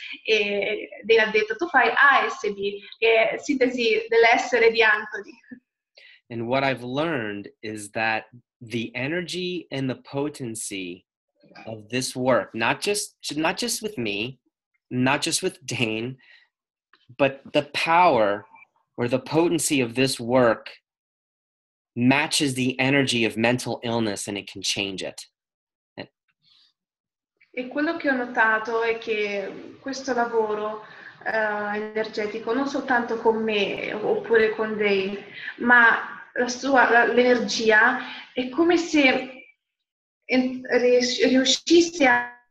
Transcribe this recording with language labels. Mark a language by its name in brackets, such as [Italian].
[Italian] E Dane ha detto, "Tu fai ASB, che è sintesi dell'essere di Anthony." [English] And what I've learned is that the energy and the potency of this work, not just with me, not just with Dane, but the power or the potency of this work matches the energy of mental illness and it can change it. [Italian] E quello che ho notato è che questo lavoro energetico non soltanto con me oppure con Dane, ma l'energia è come se riuscisse a